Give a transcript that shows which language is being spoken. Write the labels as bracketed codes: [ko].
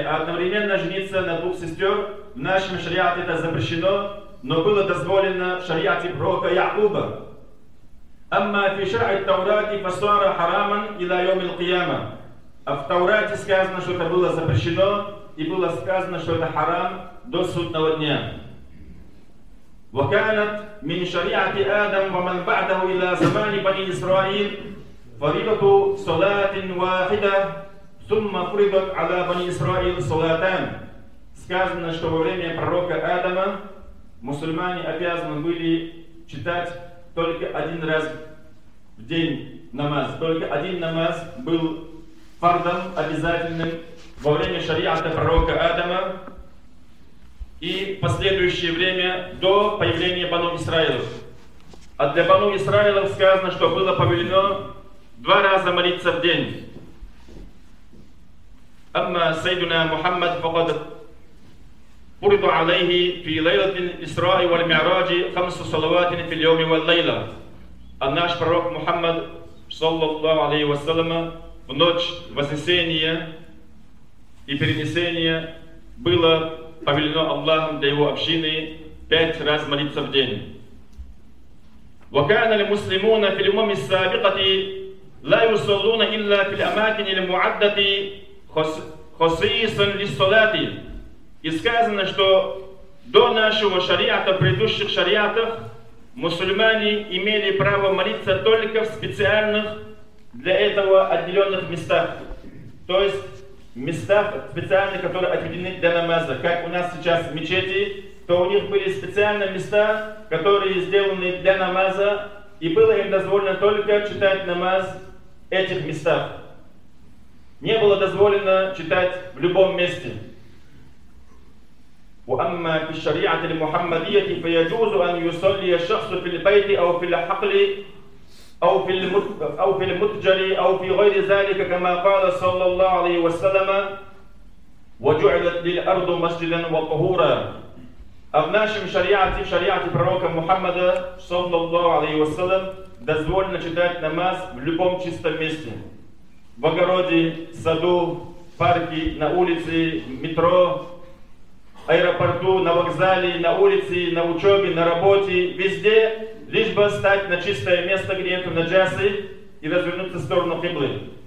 [ru] А одновременно жениться на двух сестер в нашем шариате это запрещено, но было дозволено в шариате пророка Якуба. [ar] أما في شرع التوراة فصار حراما إلى يوم القيامة. [ru] В Таурате сказано, что это было запрещено, и было сказано, что это харам до судного дня. [ar] وكانت من شريعة آدم ومن بعده إلى زمان بني إسرائيل فريضة صلاة واحدة ثم فرضت على بني إسرائيل صلاتان. [ru] Сказано, что во время пророка Адама мусульмане обязаны были читать только один раз в день намаз. Только один намаз был фардом обязательным во время шариата пророка Адама и последующее время до появления Бану Исраилов. А для Бану Исраилов сказано, что было повелено два раза молиться в день. [ar] Амма сайдуна Мухаммад фагад فرض عليه في ليلة الإسراء والمعراج خمس صلوات في اليوم والليلة. [ru] الناش пророк محمد [ar] صلى الله عليه وسلم [ru] в ночь вознесения и перенесения было повелено Аллахом для его общины пять раз молиться в день. [ar] وكان المسلمون في الأمم السابقة لا يصلون إلا في الأماكن المعدة خصيصا للصلاة. [ru] И сказано, что до нашего шариата, предыдущих шариатов, мусульмане имели право молиться только в специальных для этого отделенных местах. То есть местах специальных, которые отведены для намаза. Как у нас сейчас в мечети, то у них были специальные места, которые сделаны для намаза, и было им дозволено только читать намаз в этих местах. Не было дозволено читать в любом месте. [ar] وأما في الشريعة المحمدية فيجوز أن يصلي الشخص في البيت أو في الحقل أو في المتجر أو في غير ذلك كما قال صلى الله عليه وسلم وجعلت للأرض مسجدا وطهورا. [ru] А в нашем шариате, в шариате пророка Мухаммада [ar] صلى الله عليه وسلم [ru] дозволено читать намаз в любом чистом месте. В огороде, в саду, в парке, на улице, в метро, в аэропорту, на вокзале, на улице, на учебе, на работе, везде, лишь бы встать на чистое место, где нету наджасы, и развернуться в сторону Кыблы.